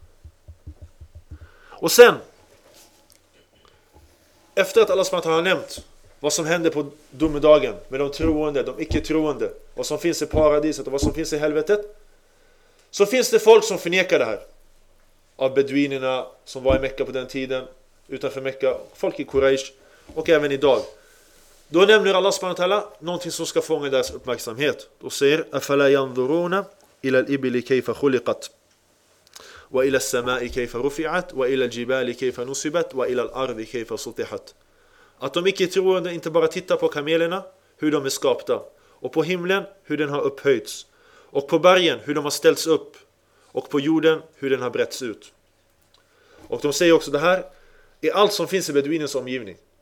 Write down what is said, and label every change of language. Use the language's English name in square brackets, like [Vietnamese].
[Swedish] Okay? Och sen, efter att Allah SWT har nämnt vad som händer på domedagen med de troende, de icke-troende, vad som finns i paradiset och vad som finns i helvetet, så finns det folk som förnekar det här. Av beduinerna som var i Mekka på den tiden, utanför Mekka, folk i Quraysh och även idag. Då nämner Allah SWT någonting som ska fånga deras uppmärksamhet. Då säger [Arabic] أَفَلَا يَنْظُرُونَ إِلَى الْإِبِلِ كَيْفَ خُلِقَتْ وإلى السماء كيف رفعت وإلى الجبال كيف نصبت وإلى الأرض كيف سطحت. [Swedish] Att de icke-troende inte bara tittar på kamelerna, hur de är skapta, och på himlen hur den har upphöjts, och på bergen hur de har ställts upp, och på jorden hur den har bretts ut. Och de säger också det här är allt som finns i beduinens omgivning.